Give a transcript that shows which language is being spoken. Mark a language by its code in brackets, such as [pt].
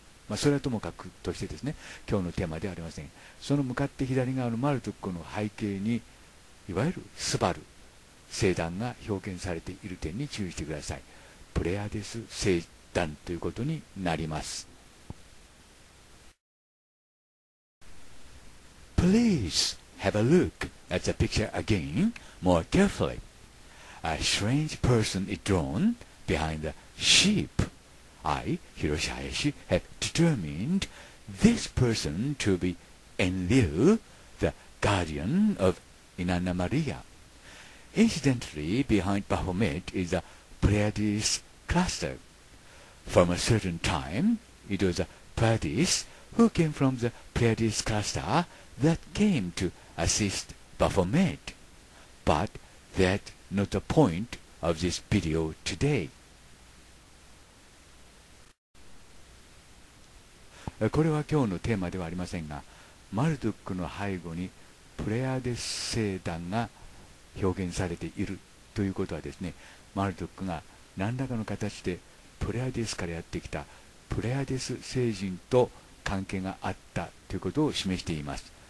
[ja] まあ、それはともかくとしてですね、今日のテーマではありません。その向かって左側のマルドックの背景に、いわゆるスバル星団が表現されている点に注意してください。プレアデス星団ということになります。 [en] Please have a look at the picture again more carefully. A strange person is drawn behind theSheep. I, Hiroshi Hayashi, have determined this person to be Enlil, the guardian of Inanna Maria. Incidentally, behind Baphomet is a Pleiades cluster. From a certain time, it was a Pleiades who came from the Pleiades cluster that came to assist Baphomet. But that's not the point of this video today. [ja] これは今日のテーマではありませんが、マルドックの背後にプレアデス星団が表現されているということはですね、マルドックが何らかの形でプレアデスからやってきたプレアデス星人と関係があったということを示しています。